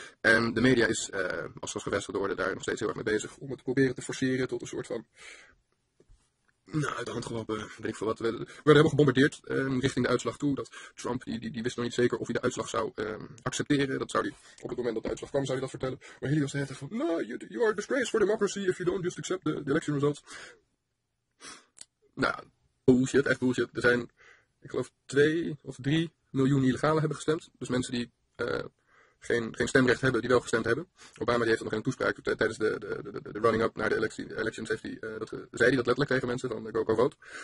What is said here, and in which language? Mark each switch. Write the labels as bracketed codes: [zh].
[nl] En de media is, als gevestigde orde, daar nog steeds heel erg mee bezig om het te proberen te forceren tot een soort van, uit de hand gelopen, denk ik veel wat. We werden helemaal gebombardeerd richting de uitslag toe. Dat Trump, die wist nog niet zeker of hij de uitslag zou accepteren. Dat zou hij op het moment dat de uitslag kwam, zou hij dat vertellen. Maar Hillary was de hele tijd van, [en] you are a disgrace for democracy if you don't just accept the election results. [nl] Nou, bullshit, echt bullshit. Er zijn, ik geloof, 2 of 3 miljoen illegalen hebben gestemd. Dus mensen die geen stemrecht hebben, die wel gestemd hebben. Obama die heeft dat nog in een toespraak tijdens de running-up naar de elections, zei hij dat letterlijk tegen mensen van [en] go vote.